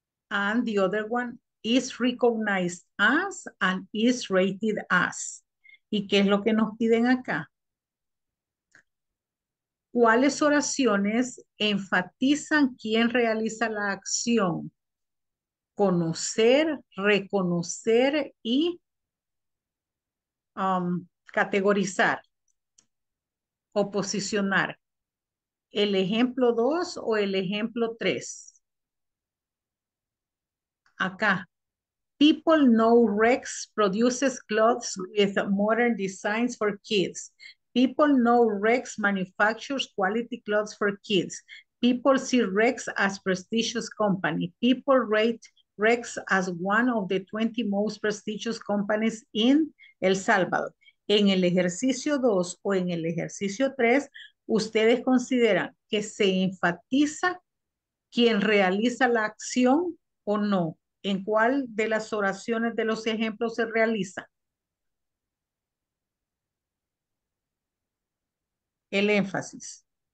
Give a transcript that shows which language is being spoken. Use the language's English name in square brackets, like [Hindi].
[English] And the other one is recognized as and is rated as. [Spanish] ¿Y qué es lo que nos piden acá? ¿Cuáles oraciones enfatizan quién realiza la acción? Conocer, reconocer y categorizar o posicionar. ¿El ejemplo 2 o el ejemplo 3? [English] Acá, people know Rex produces clothes with modern designs for kids. People know Rex manufactures quality clothes for kids. People see Rex as a prestigious company. People rate Rex as one of the 20 most prestigious companies in El Salvador. [Spanish] En el ejercicio 2 o en el ejercicio 3, ustedes consideran que se enfatiza quien realiza la acción o no. ¿En cuál de las oraciones de los ejemplos se realiza el énfasis?